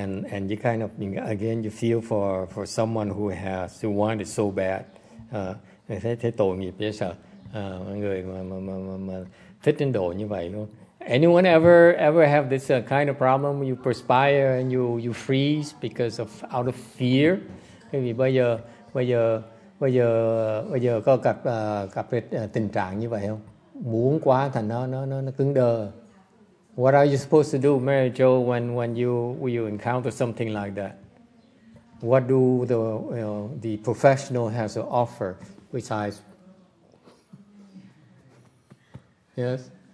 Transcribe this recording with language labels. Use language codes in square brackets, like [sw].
[en] And you kind of, again, you feel for someone who has, who wanted it so bad. [vi] Thế tội nghiệp dễ sợ. Người mà thích đến độ như vậy luôn. [en] Anyone ever have this kind of problem? You perspire and you freeze because of out of fear? [vi] Bởi vì bây giờ có gặp tình trạng như vậy không? Muốn quá thành nó cứng đơ. [en] What are you supposed to do, Mary Jo, when you encounter something like that? What do the professional has to offer besides? Yes?